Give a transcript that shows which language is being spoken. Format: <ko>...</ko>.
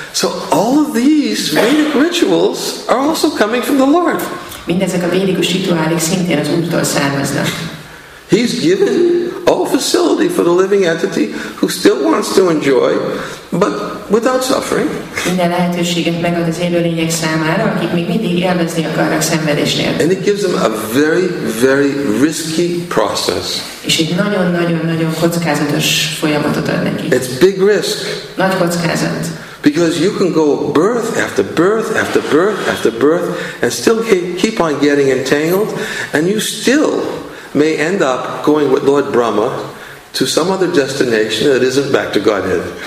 <en>So all of these Vedic rituals are also coming from the Lord.</en> <hu>Mindezek a védikus rituálék szintén az Úrtól származnak.</hu> <en>He's given all facility for the living entity who still wants to enjoy, but without suffering.</en> <hu>Minden lehetőséget megad az élőlények számára, akik még mindig élvezni akarnak szenvedés nélkül.</hu> <en>And it gives them a very, very risky process.</en> <hu>És egy nagyon-nagyon-nagyon kockázatos folyamatot ad neki.</hu> <en>It's big risk.</en> <hu>Nagy kockázat.</hu> <en>Because you can go birth after birth after birth after birth and still keep on getting entangled, and you still may end up going with Lord Brahma to some other destination that isn't back to Godhead.</en>